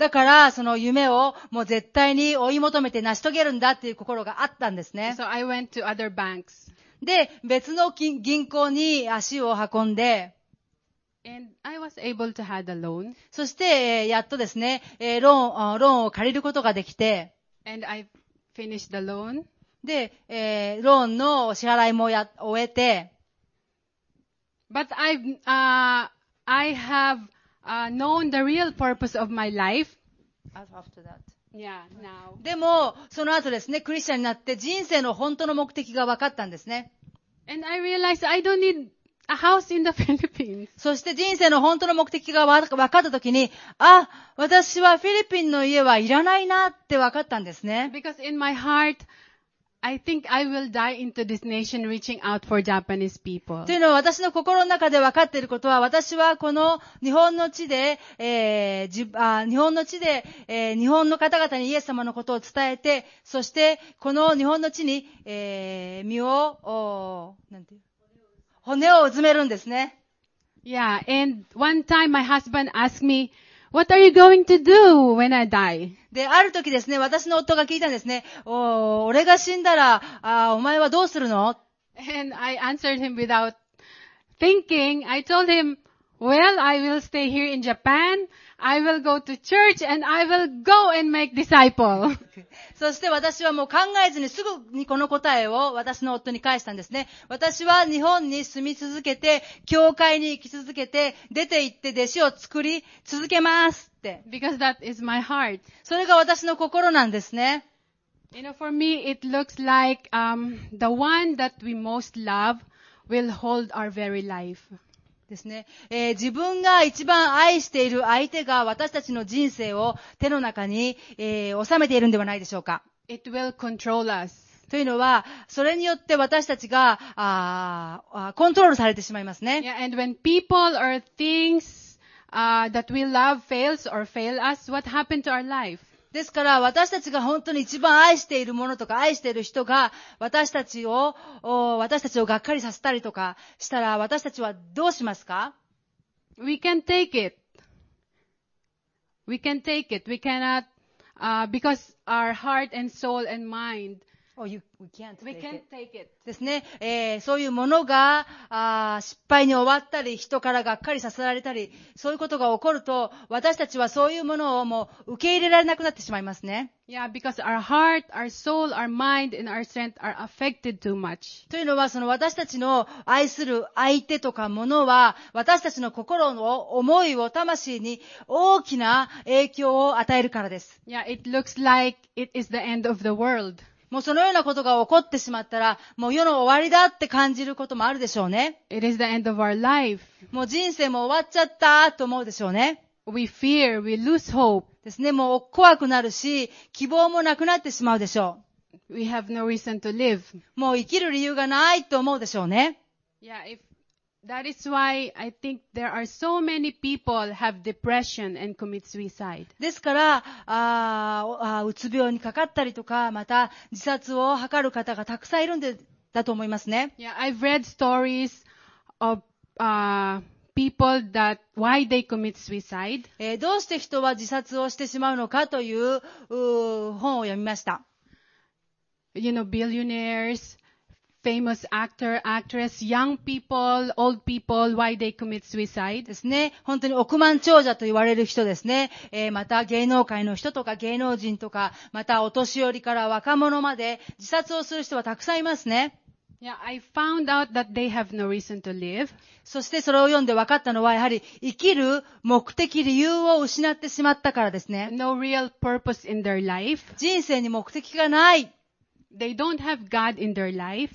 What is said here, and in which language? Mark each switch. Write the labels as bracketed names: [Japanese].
[Japanese] だからその夢をもう絶対に追い求めて成し遂げるんだという心があったんですね。 [English] So I went to other banks. [Japanese] で、別の銀行に足を運んで、 [English] And I was able to have a loan. [Japanese] そして、やっとですね、ローンを借りることができて、 [English] And IFinish the loan. [Japanese] で、ローンの支払いも終えて。 [English] But I have known the real purpose of my life. After that. Yeah, now. [Japanese] でも、その後ですね、クリスチャンになって人生の本当の目的が分かったんですね。 [English] And I realized I don't need a house in the Philippines. [Japanese] そして人生の本当の目的が分かったときに、私はフィリピンの家はいらないなって分かったんですね。 [English] Because in my heart, I think I will die into this nation reaching out for Japanese people. [Japanese] というのは私の心の中で分かっていることは、私はこの日本の地で、日本の地で、日本の方々にイエス様のことを伝えて、そしてこの日本の地に、身を、なんて骨をうずめるんですね。 [English] Yeah, and one time my husband asked me, What are you going to do when I die? [Japanese] で、ある時ですね、私の夫が聞いたんですね、俺が死んだら、お前はどうするの? [English] And I answered him without thinking. I told him, Well, I will stay here in Japan. I will go to church and I will go and make disciple. [Japanese] そして私はもう考えずにすぐにこの答えを私の夫に返したんですね。私は日本に住み続けて、教会に行き続けて、出て行って弟子を作り続けますって。 [English] Because that is my heart. [Japanese] それが私の心なんですね。 [English] You know, for me, it looks like, the one that we most love will hold our very life. [Japanese] ですね。自分が一番愛している相手が私たちの人生を手の中に、収めているんではないでしょうか。 [English] It will control us. [Japanese] というのは、それによって私たちが、コントロールされてしまいますね。 [English] Yeah, and when people or things, that we love fails or fail us, what happened to our life? [Japanese] ですから私たちが本当に一番愛しているものとか愛している人が私たちをがっかりさせたりとかしたら私たちはどうしますか? [English] We can take it. We can take it. We cannot, because our heart and soul and mind. Oh, you, we can't take it. We can take it. [Japanese] ですね。そういうものが失敗に終わったり人からがっかりさせられたりそういうことが起こると私たちはそういうものをもう受け入れられなくなってしまいますね。 [English] Yeah, because our heart, our soul, our mind, and our strength are affected too much. [Japanese] というのはその私たちの愛する相手とかものは私たちの心の思いを魂に大きな影響を与えるからです。 [English] Yeah, it looks like it is the end of the world. [Japanese] もうそのようなことが起こってしまったら、もう世の終わりだって感じることもあるでしょうね。 [English] It is the end of our life. [Japanese] もう人生も終わっちゃったと思うでしょうね。 [English] We fear, we lose hope. [Japanese] ですね、もう怖くなるし、希望もなくなってしまうでしょう。 [English] We have no reason to live. [Japanese] もう生きる理由がないと思うでしょうね。 [English] Yeah, if that is why I think there are so many people have depression and commit suicide. [Japanese] ですから、うつ病にかかったりとか、また自殺を図る方がたくさんいるんでだと思いますね。 [English] Yeah, I've read stories of, people that, why they commit suicide. [Japanese] どうして人は自殺をしてしまうのかという、本を読みました。 [English] You know, billionaires. Famous actor, actress, young people, old people, why they commit suicide? [Japanese] ですね。本当に億万長者と言われる人ですね。また芸能界の人とか芸能人とか、またお年寄りから若者まで自殺をする人はたくさんいますね。 [English] Yeah, I found out that they have no reason to live. [Japanese] そしてそれを読んで分かったのは、やはり生きる目的、理由を失ってしまったからですね。 [English] No real purpose in their life. [Japanese] 人生に目的がない。 [English] They don't have God in their life.